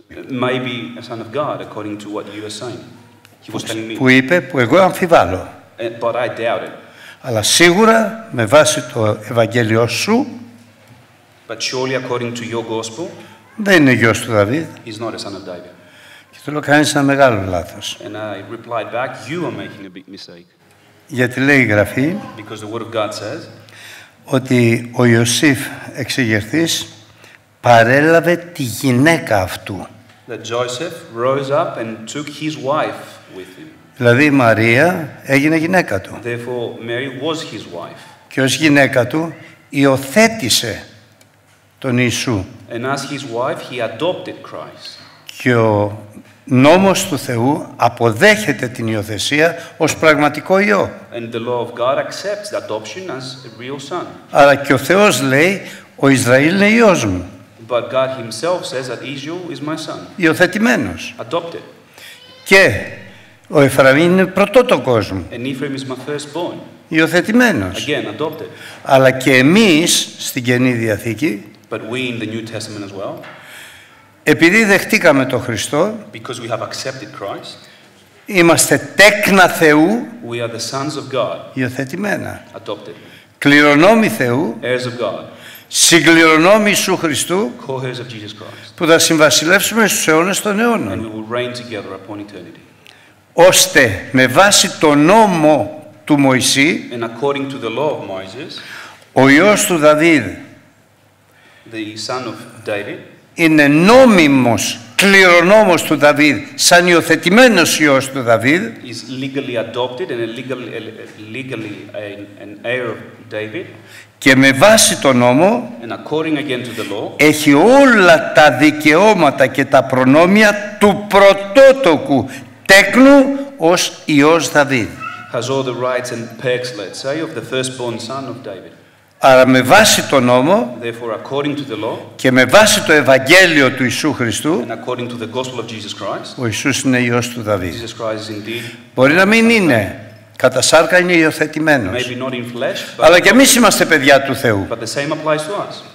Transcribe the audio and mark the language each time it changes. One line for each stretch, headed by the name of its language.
English: Maybe a son of God, according to what you are saying. He was telling me.
Greek: Που είπε, που εγώ αμφιβάλλω.
English: But I doubt it.
Greek: Αλλά σίγουρα, με βάση το Ευαγγέλιο σου.
English: But surely according to your gospel,
Greek: δεν είναι γιος του Δαβίδ.
English: He's not a son of David.
Greek: Και του λέω, κάνεις ένα μεγάλο λάθος.
English: And I replied back, you are making a big mistake.
Greek: Γιατί λέει η Γραφή,
English: because the word of God says,
Greek: ότι ο Ιωσήφ εξηγερθής παρέλαβε τη γυναίκα αυτού.
English: That Joseph rose up and took his wife with him.
Greek: Δηλαδή η Μαρία έγινε γυναίκα του.
English: Therefore, Mary was his wife.
Greek: Και ως γυναίκα του υιοθέτησε τον Ιησού.
English: And as his wife, he adopted Christ.
Greek: Και ο νόμος του Θεού αποδέχεται την υιοθεσία ως πραγματικό Υιό.
English: And the law of God accepts the adoption as a real son.
Greek: Αλλά και ο Θεός λέει, ο Ισραήλ είναι Υιός μου.
English: But God himself says that Israel is my son.
Greek: Υιοθετημένος.
English: Adopted.
Greek: Και ο Εφραήμ είναι πρωτότοκος μου.
English: And Ephraim is my firstborn.
Greek: Υιοθετημένος.
English: Again, adopted.
Greek: Αλλά και εμείς στην Καινή Διαθήκη.
English: But we in the New Testament as well.
Greek: Επειδή δεχτήκαμε τον Χριστό,
English: because we have accepted Christ,
Greek: είμαστε τέκνα Θεού,
English: we are the sons of God,
Greek: υιοθετημένα,
English: adopted,
Greek: κληρονόμοι Θεού,
English: heirs of God,
Greek: συγκληρονόμοι Ιησού Χριστού,
English: co-heirs of Jesus Christ,
Greek: που θα συμβασιλεύσουμε στους αιώνες των αιώνων,
English: and we will reign together upon eternity,
Greek: ώστε με βάση το νόμο του Μωυσή,
English: and according to the law of Moses,
Greek: ο Υιός του Δαβίδ,
English: the son of David,
Greek: είναι νόμιμος κληρονόμος του Δαβίδ, σαν υιοθετημένος ιός του Δαβίδ.
English: Is legally adopted and legally an heir of David.
Greek: Και με βάση τον νόμο έχει όλα τα δικαιώματα και τα προνόμια του πρωτότοκου τέκνου ως Υιός Δαβίδ.
English: Has all the rights and perks, let's say, of the firstborn son of David.
Greek: Άρα με βάση τον νόμο
English: law,
Greek: και με βάση το Ευαγγέλιο του Ιησού Χριστού,
English: Christ,
Greek: ο Ιησούς είναι Υιός του Δαβίδ.
English: Jesus Christ is indeed.
Greek: Μπορεί να μην είναι. Κατά σάρκα είναι υιοθετημένος.
English: Maybe not in flesh, but
Greek: αλλά και εμείς είμαστε παιδιά του Θεού.
English: But the same applies to us.